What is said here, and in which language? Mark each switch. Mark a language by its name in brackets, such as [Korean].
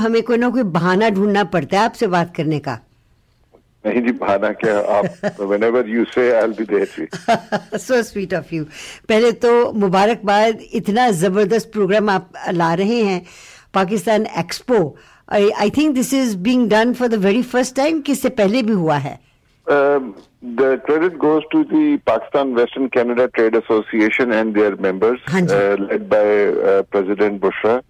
[Hindi] हमें कोई ना कोई बहाना ढूंढना पड़ता है आपसे बात करने का. नहीं जी, बहाना क्या, आप [English] whenever you say I'll be there too. So sweet of you. [Hindi] पहले तो मुबारकबाद, इतना जबरदस्त प्रोग्राम आप ला रहे हैं, Pakistan expo. [English] I think this is being done for the very first time, [Hindi] किससे पहले भी हुआ है? [English] The credit goes to the Pakistan western Canada trade association and their members led by president Bushra.